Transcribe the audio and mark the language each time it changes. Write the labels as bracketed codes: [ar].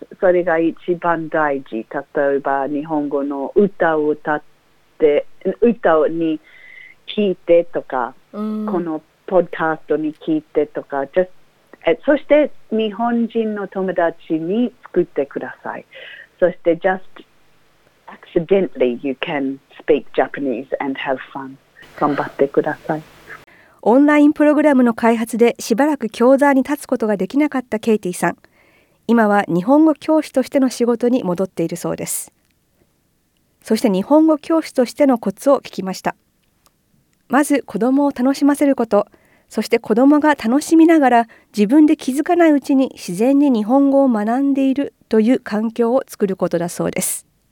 [ja] それが一番大事。例えば日本語の歌を歌って歌に聞いてとか、このポッドキャストに聞いてとか、そして日本人の友達に作ってください。 [en] そして just accidentally you can speak Japanese and have fun. [ja] 頑張ってください。オンラインプログラムの開発でしばらく教壇に立つことができなかったケイティさん。今は日本語教師としての仕事に戻っているそうです。そして日本語教師としてのコツを聞きました。まず子どもを楽しませること、そして子どもが楽しみながら自分で気づかないうちに自然に日本語を学んでいるという環境を作ることだそうです。